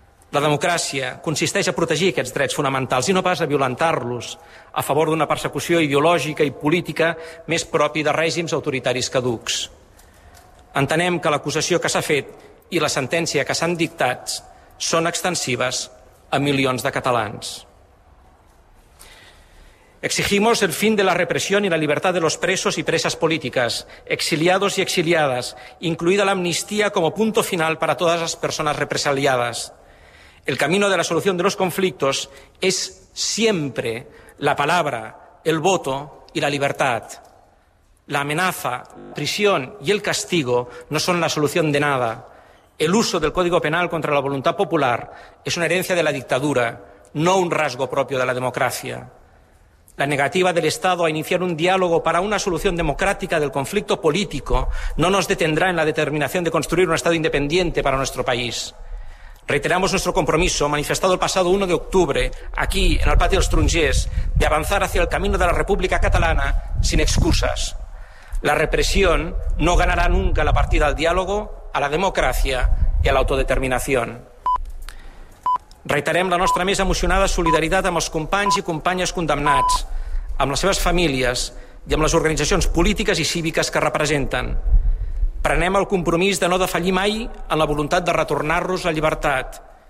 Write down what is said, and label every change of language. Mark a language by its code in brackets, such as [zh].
[ca] La democràcia consisteix a protegir aquests drets fonamentals i no pas a violentar-los a favor d'una persecució ideològica i política més propi de règims autoritaris caducs. Entenem que l'acusació que s'ha fet i la sentència que s'han dictat són extensives a milions de catalans. [es] Exigimos el fin de la represión y la libertad de los presos y presas políticas, exiliados y exiliadas, incluida la amnistía como punto final para todas las personas represaliadas. El camino de la solución de los conflictos es siempre la palabra, el voto y la libertad. La amenaza, prisión y el castigo no son la solución de nada. El uso del Código Penal contra la voluntad popular es una herencia de la dictadura, no un rasgo propio de la democracia. La negativa del Estado a iniciar un diálogo para una solución democrática del conflicto político no nos detendrá en la determinación de construir un Estado independiente para nuestro país. Reiteramos nuestro compromiso, manifestado el pasado 1 de octubre, aquí, en el Patio de los Trungers, de avanzar hacia el camino de la República Catalana sin excusas. La represión no ganará nunca la partida al diálogo, a la democracia y a la autodeterminación. [ca] Reiterem la nostra més emocionada solidaritat amb els companys i companyes condemnats, amb les seves famílies i amb les organitzacions polítiques i cíviques que representen. Prenem el compromís de no defallir mai en la voluntat de retornar-los a llibertat.